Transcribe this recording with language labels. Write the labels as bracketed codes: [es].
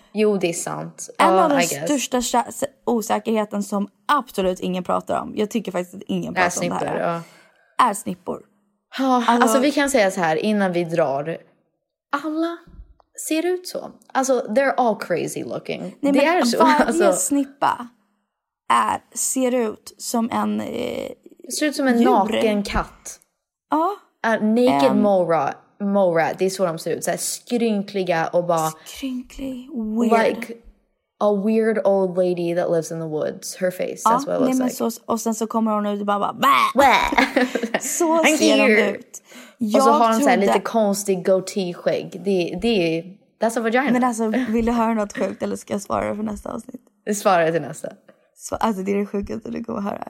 [sv] Jo, det är sant. En av de största osäkerheten som absolut ingen pratar om, jag tycker faktiskt att ingen pratar snippor, om det här, är snippor. Ja, alltså vi kan säga så här, innan vi drar, alla ser ut så. Alltså, [en] they're all crazy looking. [sv] Nej, det är så. Varje snippa ser ut som en... Ser ut som en djur. Naken katt. Ja. [en] Naked mole rat, [sv] det är så de ser ut. Så här skrynkliga och bara... Skrynklig, weird. [en] Like a weird old lady that lives in the woods. Her face, that's what it looks like. [sv] Och sen så kommer hon ut och bara bäh! Så ser de ut. Jag och så har hon så här lite konstig goatee-skägg. [en] That's a vagina. [sv] Men alltså, vill du höra något sjukt eller ska jag svara för nästa avsnitt? Svara till nästa. Så, alltså det är det sjukaste du kommer höra.